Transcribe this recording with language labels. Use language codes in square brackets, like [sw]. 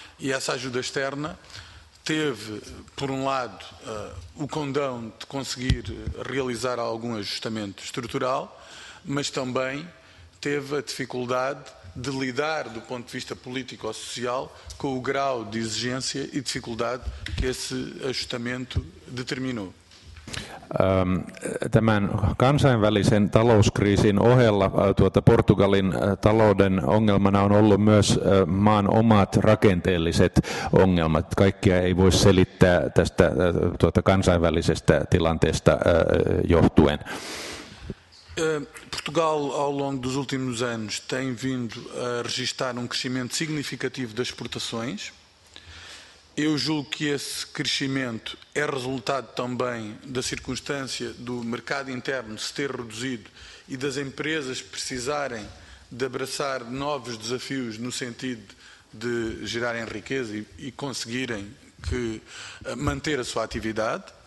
[pt] E essa ajuda externa teve, por lado, o condão de conseguir realizar algum ajustamento estrutural, mas também teve a dificuldade de lidar, do ponto de vista político ou social, com o grau de exigência e dificuldade que esse ajustamento determinou. [fi] Tämän kansainvälisen talouskriisin ohella Portugalin talouden ongelmana on ollut myös maan omat rakenteelliset ongelmat. Kaikkia ei voi selittää tästä kansainvälisestä tilanteesta johtuen. [pt] Portugal, ao longo dos últimos anos, tem vindo a registrar crescimento significativo das exportações. Eu julgo que esse crescimento é resultado também da circunstância do mercado interno se ter reduzido e das empresas precisarem de abraçar novos desafios no sentido de gerarem riqueza e conseguirem manter a sua atividade.